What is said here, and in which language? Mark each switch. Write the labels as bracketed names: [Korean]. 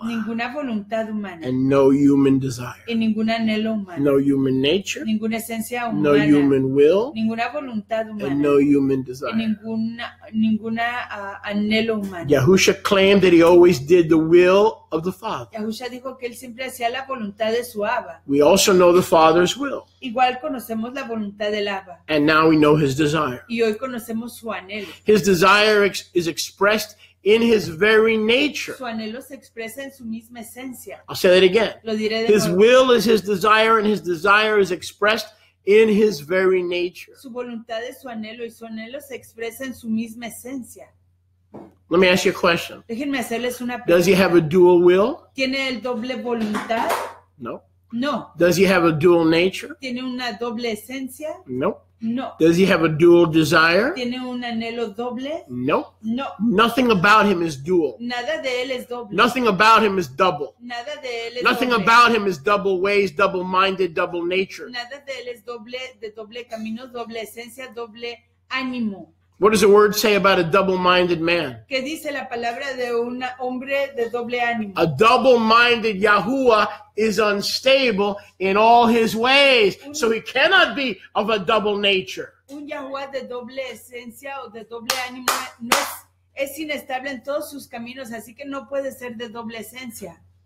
[Spanish] Ninguna voluntad humana. [English] And no human desire. [Spanish] Y ningún anhelo humano. [English] No human nature. [Spanish] Ninguna esencia humana. [English] No human will. [Spanish] Ninguna voluntad humana. [English] And no human desire. [Spanish] Y ninguna anhelo humano. [English] Yahusha claimed that he always did the will of the Father. [Spanish] Yahusha dijo que él siempre hacía la voluntad de su Abba. [English] We also know the Father's will. [Spanish] Igual conocemos la voluntad del Abba. [English] And now we know his desire. [Spanish] Y hoy conocemos su anhelo. [English] His desire is expressed in his very nature. [Spanish] Su anhelo se expresa en su misma esencia. [English] I'll say that again. [Spanish] Lo diré de [English] his [Spanish] nuevo. [English] Will is his desire, and his desire is expressed in his very nature. [Spanish] Su voluntad es su anhelo, y su anhelo se expresa en su misma esencia. [English] Let me ask you a question. [Spanish] Déjenme hacerles una pregunta. [English] Does he have a dual will? [Spanish] ¿Tiene el doble voluntad? [English] No. [Spanish] No. [English] Does he have a dual nature? [Spanish] ¿Tiene una doble esencia? [English] No. [Spanish] No. [English] Does he have a dual desire? [Spanish] ¿Tiene un anhelo doble? [English] No. [Spanish] No. [English] Nothing about him is dual. [Spanish] Nada de él es doble. [English] Nothing about him is double. [Spanish] Nada de él es [English] Nothing [Spanish] doble. [English] About him is double ways, double minded, double nature. [Spanish] Nada de él es doble, de doble camino, doble esencia, doble ánimo. [English] What does the word say about a double minded man? [Spanish] ¿Qué dice la palabra de un hombre de doble ánimo? [English] A double minded Yahuwah is unstable in all his ways. So he cannot be of a double nature. [Spanish] Un Yahuwah de doble esencia o de doble ánimo no es inestable en todos sus caminos, así que no puede ser de doble esencia.